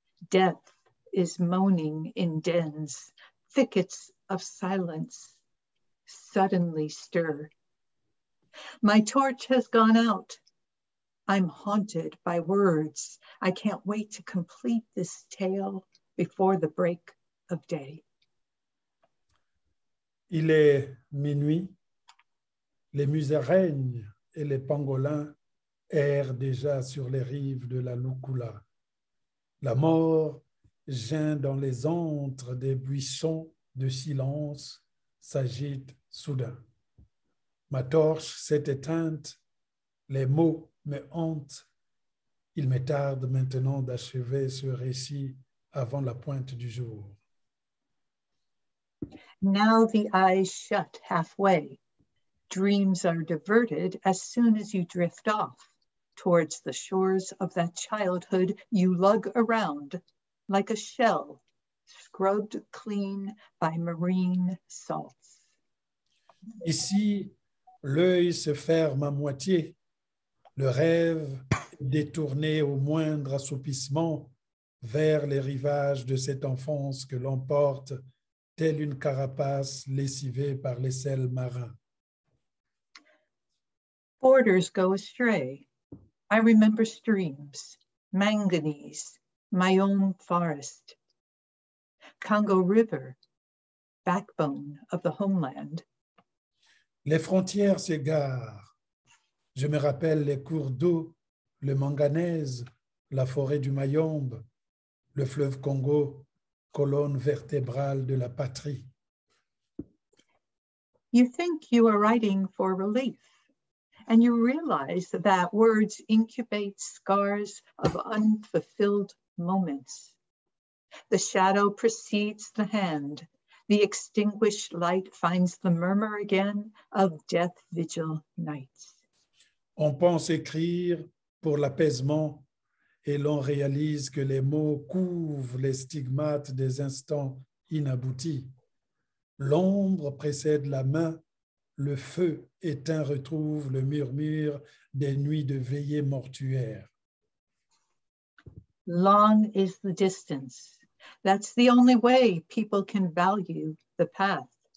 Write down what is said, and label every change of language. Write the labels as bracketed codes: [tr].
[en] Death is moaning in dens, thickets of silence suddenly stir. My torch has gone out. I'm haunted by words. I can't wait to complete this tale before the break of day. [fr] Il est minuit. Les musées règnent et les pangolins errent déjà sur les rives de la Lukula. La mort geint dans les antres des buissons de silence s'agite soudain. Ma torche s'est éteinte, les mots me hantent. Il me tarde maintenant d'achever ce récit avant la pointe du jour. [en] Now the eyes shut halfway. Dreams are diverted as soon as you drift off towards the shores of that childhood you lug around like a shell scrubbed clean by marine salts. [fr] Ici, l'œil se ferme à moitié. Le rêve détourné au moindre assoupissement vers les rivages de cette enfance que l'emporte telle une carapace lessivée par les sels marins. [en] Borders go astray. I remember streams, manganese, my own forest. Congo River, backbone of the homeland. [fr] Les frontières s'égarent. Je me rappelle les cours d'eau, le manganèse, la forêt du Mayombe, le fleuve Congo, colonne vertébrale de la patrie. [en] You think you are writing for relief, and you realize that words incubate scars of unfulfilled moments. The shadow precedes the hand. The extinguished light finds the murmur again of death vigil nights. [fr] On pense écrire pour l'apaisement et l'on réalise que les mots couvrent les stigmates des instants inaboutis. L'ombre précède la main, le feu éteint retrouve le murmure des nuits de veillée mortuaire. [en] Long is the distance. That's the only way people can value the path.